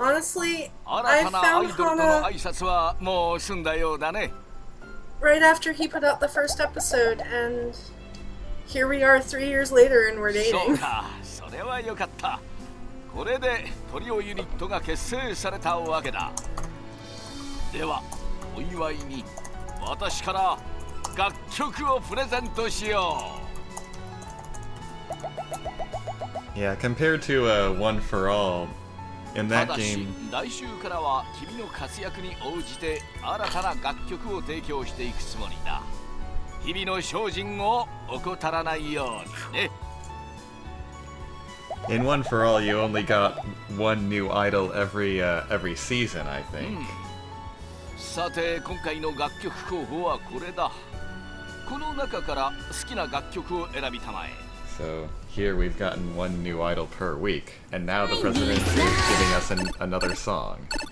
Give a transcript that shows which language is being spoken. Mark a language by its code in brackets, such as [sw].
[en] Honestly, I found Hana right after he put out the first episode, and here we are 3 years later and we're dating. So, that's good. [ja] これでトリオユニットが結成されたわけだ。では、お祝いに私から楽曲をプレゼントしよう。 [en] Yeah, compared to a One for All, in that game, [ja] 来週からは君の活躍に応じて新たな楽曲を提供していくつもりだ。日々の精進を怠らないようにね。 [en] In One for All, you only got one new idol every season, I think. [ja] さて、今回の楽曲候補はこれだ。この中から好きな楽曲を選びたまえ。 [en] So, here we've gotten one new idol per week, and now the president is giving us another song.